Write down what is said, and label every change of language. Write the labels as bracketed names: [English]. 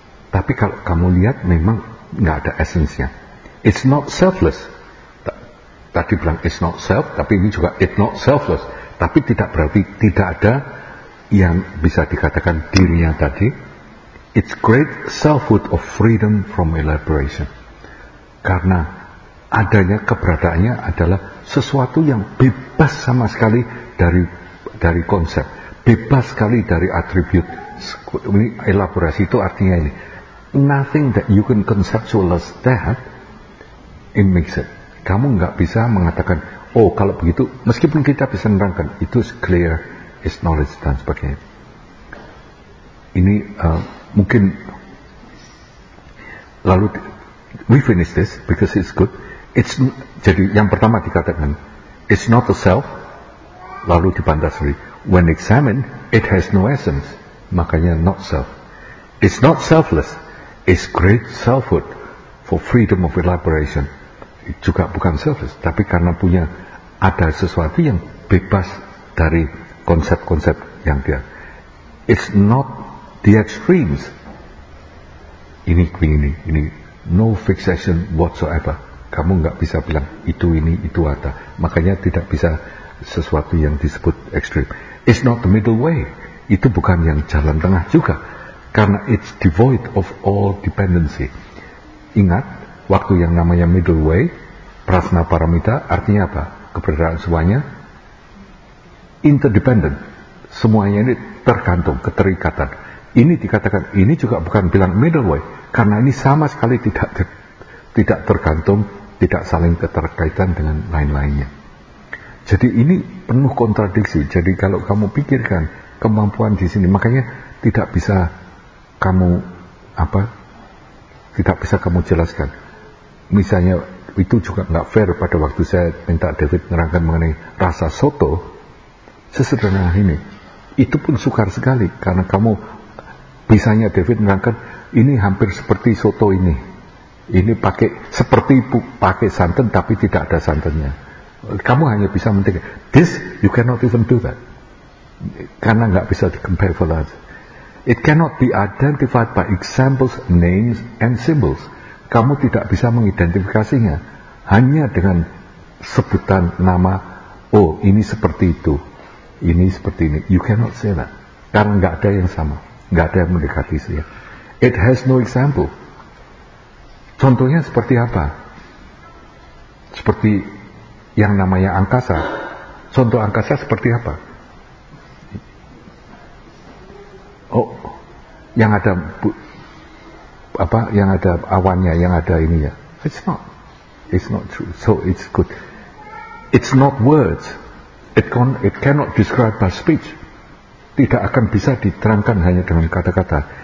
[Indonesian] Tapi kalau kamu lihat memang nggak ada esensinya. [English] It's not selfless. [Indonesian] Tadi bilang [English] it's not self, [Indonesian] tapi ini juga [English] it's not selfless. [Indonesian] Tapi tidak berarti tidak ada yang bisa dikatakan dirinya tadi. [English] It's great selfhood of freedom from elaboration. [Indonesian] Karena adanya keberadaannya adalah sesuatu yang bebas sama sekali dari konsep. Bebas sekali dari atribut. Ini elaborasi itu artinya ini. [English] Nothing that you can conceptualize that, it makes it. [Indonesian] Kamu enggak bisa mengatakan, oh kalau begitu, meskipun kita bisa menerangkan, itu clear, [English] it's knowledge [Indonesian] dan sebagainya. Ini mungkin, lalu, [English] we finish this because it's good. [Indonesian] It's, jadi yang pertama dikatakan, [English] it's not a self, [Indonesian] lalu dibantah sendiri. [English] When examined, it has no essence, [Indonesian] makanya [English] not self. It's not selfless, it's great selfhood for freedom of elaboration. [Indonesian] Juga bukan selfless, tapi karena punya ada sesuatu yang bebas dari konsep-konsep yang dia. [English] It's not the extremes. [Indonesian] Ini. [English] No fixation whatsoever. [Indonesian] Kamu enggak bisa bilang itu ini, itu ada. Makanya tidak bisa sesuatu yang disebut extreme. [English] It's not the middle way. [Indonesian] Itu bukan yang jalan tengah juga. Karena [English] it's devoid of all dependency. [Indonesian] Ingat, waktu yang namanya middle way, prasna paramita, artinya apa? Keberadaan semuanya interdependent. Semuanya ini tergantung, keterikatan. Ini dikatakan, ini juga bukan bilang middle way, karena ini sama sekali tidak tergantung, tidak saling keterkaitan dengan lain-lainnya. Jadi ini penuh kontradiksi. Jadi kalau kamu pikirkan kemampuan di sini, makanya tidak bisa kamu apa? Tidak bisa kamu jelaskan. Misalnya itu juga enggak fair pada waktu saya minta David menerangkan mengenai rasa soto sesederhana ini. Itu pun sukar sekali karena kamu misalnya David menerangkan ini hampir seperti soto ini. Ini pakai seperti pakai santan tapi tidak ada santannya. Kamu hanya bisa mentega. [English] This you cannot even do that. [Indonesian] Karena enggak bisa [English] compare for that. It cannot be identified by examples, names, and symbols. [Indonesian] Kamu tidak bisa mengidentifikasinya hanya dengan sebutan nama, oh ini seperti itu, ini seperti ini, [English] you cannot say that, [Indonesian] karena enggak ada yang sama, enggak ada yang mendekati saya. [English] It has no example. [Indonesian] Contohnya seperti apa? Seperti yang namanya angkasa. Contoh angkasa seperti apa? Oh, yang ada apa? Yang ada awannya, yang ada ininya. [English] It's not true. So it's good. It's not words. It cannot describe by speech. [Indonesian] Tidak akan bisa diterangkan hanya dengan kata-kata.